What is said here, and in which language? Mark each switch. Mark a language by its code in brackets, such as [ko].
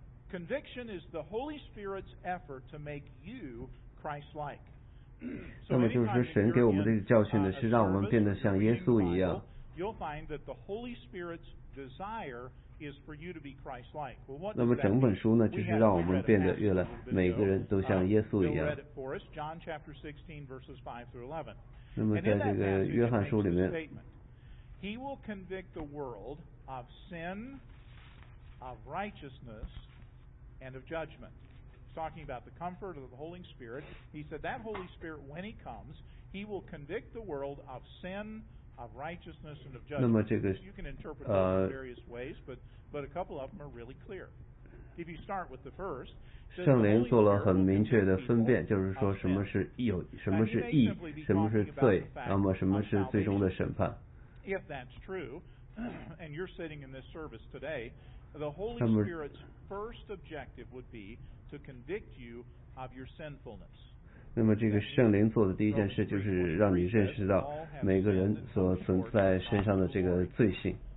[en] conviction is the Holy Spirit's effort to make you Christ-like [zh] 那么就是神给我们这个教训的是让我们变得像耶稣一样 [en] You'll find that the Holy Spirit's desire is for you to be Christ-like. Well, what [zh] 那么整本书呢，就是让我们变得越来每个人都像耶稣一样。 [en] Read it for us, John chapter 16, verses 5 through 11. [zh] 那么在这个约翰书里面 [en] ，He will convict the world of sin, of righteousness, and of judgment. He's talking about the comfort of the Holy Spirit. He said that Holy Spirit, when He comes, He will convict the world of sin. Of righteousness and of judgment. [zh] 那么这个 [en] you can interpret them in various ways, but a couple of them are really clear. If you start with the first, [zh] 圣灵做了很明确的分辨，就是说什么是义，什么是义，什么是罪，那么什么是最终的审判。 [en] If that's true, and you're sitting in this service today, The Holy Spirit's first objective would be to convict you of your sinfulness. [zh] 那么这个圣灵做的第一件事就是让你认识到每个人所存在身上的这个罪性。